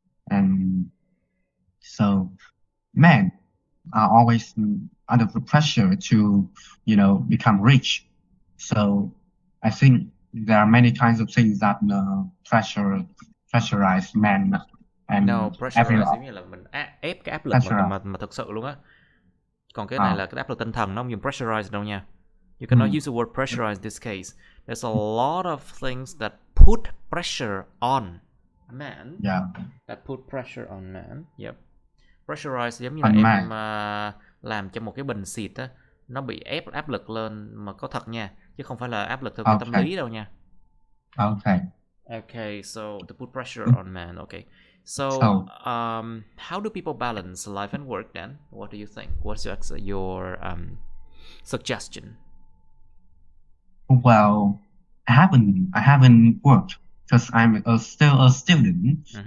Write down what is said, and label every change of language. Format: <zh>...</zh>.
<en>And so men are always under the pressure to, you know, become rich. So I think there are many kinds of things that pressurize men. And</en> <vi>no, pressurize nghĩa là mình ép cái áp lực mà thực sự luôn á. Còn cái này là cái áp lực tinh thần, nó không dùng pressurize đâu nha.</vi> <en>You cannot use the word pressurize in this case. There's a lot of things that put pressure on men. Yeah. That put pressure on men. Yep.</en> <vi>Pressurize giống như là em làm cho một cái bình xịt á, nó bị ép áp lực lên mà có thật nha, chứ không phải là áp lực theo cái tâm lý đâu nha.</vi> <en>Okay. Okay, so to put pressure on men, okay. So, how do people balance life and work then? What do you think? What's your suggestion? Well, I haven't worked because I'm still a student.</en>